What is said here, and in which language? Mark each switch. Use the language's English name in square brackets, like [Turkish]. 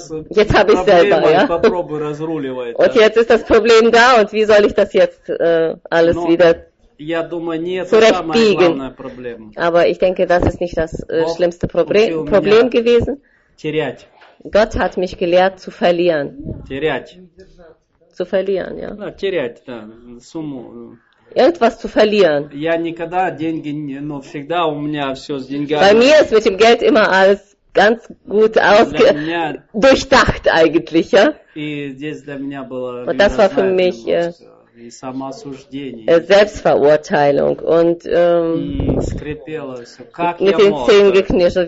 [German] Jetzt habe ich selber, ja. Und jetzt ist das Problem da und wie soll ich das jetzt alles wieder zurechtbiegen? Aber ich denke, das ist nicht das schlimmste Problem gewesen. Gott hat mich gelehrt zu verlieren. zu verlieren, ja. [Russian] Na, терять, да, сумму. [German] Etwas zu verlieren. [Russian] Я никогда деньги, но всегда у меня все с деньгами. [German] Bei mir ist mit dem Geld immer alles ganz gut durchdacht eigentlich, ja. [Russian] И здесь для меня было. [German] Вот das war für mich. Selbstverurteilung und mit den Zähnen geknirscht.